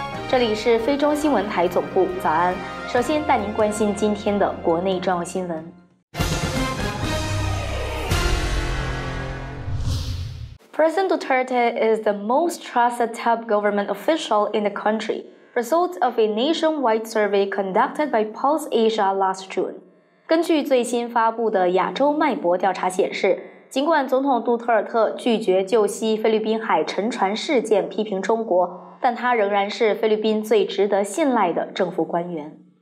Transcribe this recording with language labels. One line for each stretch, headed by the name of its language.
Chinese: 这里是菲中新闻台总部，早安。首先带您关心今天的国内重要新闻。
English: President Duterte is the most trusted top government official in the country. Results of a nationwide survey conducted by Pulse Asia last June.
Chinese: 根据最新发布的亚洲脉搏调查显示，尽管总统杜特尔特拒绝就西菲律宾海沉船事件批评中国，但他仍然是菲律宾最值得信赖的政府官员。